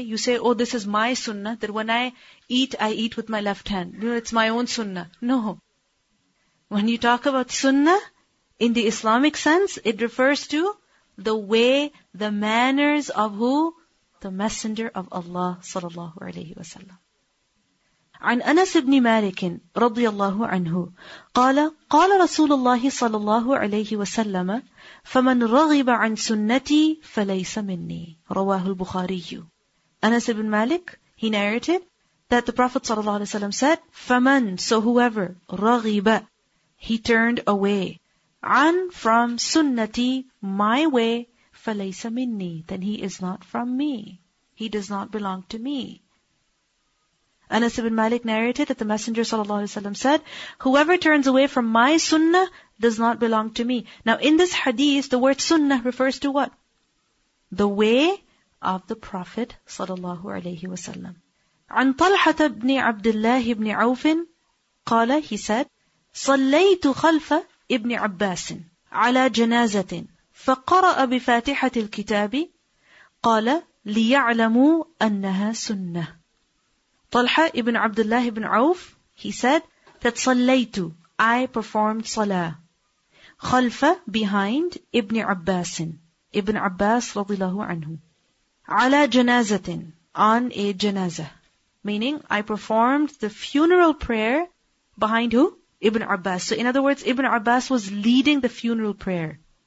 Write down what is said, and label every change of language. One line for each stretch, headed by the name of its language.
English: You say, oh, this is my sunnah, that when I eat with my left hand. You know, it's my own sunnah. No. When you talk about sunnah, in the Islamic sense, it refers to the way, the manners of who? The Messenger of Allah, sallallahu alayhi wa sallam.
Arabic: عن أنس بن مالك رضي الله عنه قال قال رسول الله صلى الله عليه وسلم فمن رغب عن سنتي فليس مني رواه البخاري.
English: أنس بن مالك, he narrated that the Prophet
Arabic: صلى الله عليه وسلم
English: said
Arabic: فمن,
English: so whoever,
Arabic: رغب,
English: he turned away,
Arabic: عن,
English: from
Arabic: سنتي,
English: my way,
Arabic: فليس مني,
English: then he is not from me, he does not belong to me. Anas ibn Malik narrated that the Messenger ﷺ said, whoever turns away from my sunnah does not belong to me. Now in this hadith, the word sunnah refers to what? The way of the Prophet ﷺ.
Arabic: عن طلحة بن عبد الله بن عوف قال,
English: he said,
Arabic: صليت خلف ابن عباس على جنازة فقرأ بفاتحة الكتاب قال ليعلموا أنها سنة.
English: Talha ibn Abdullah ibn Auf, he said, that sallaytu, I performed salah, khalfa, behind, ibn Abbasin, ibn Abbas radhiyallahu anhu,
Arabic: ala janazatin,
English: on a janazah, meaning I performed the funeral prayer behind who? Ibn Abbas. So in other words, Ibn Abbas was leading the funeral prayer.